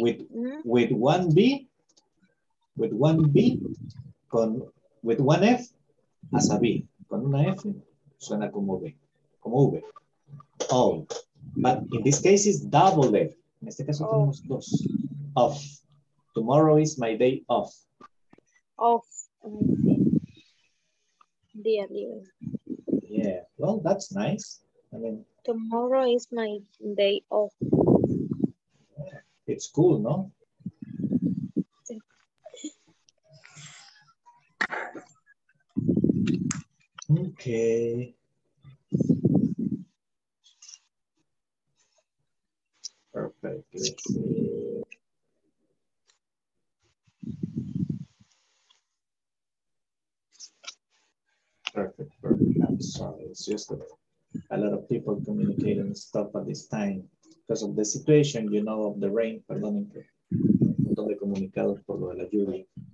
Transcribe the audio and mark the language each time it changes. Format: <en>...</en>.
<en>With one B, with one F, as a B.</en> <es>Con una F, suena como B, como V.</es> <en>Oh, but in this case is double F.</en> <es>En este caso tenemos dos.</es> <en>Off. Tomorrow is my day off. Off.</en> <es>Día libre.</es> <en>Yeah, well, that's nice. I mean, tomorrow is my day off. It's cool, no? Okay. Perfect. Let's see. Perfect. I'm sorry. It's just that a lot of people communicating stuff at this time because of the situation, you know, of the rain.</en> <es>Perdón, un montón de comunicados por lo de la lluvia.</es>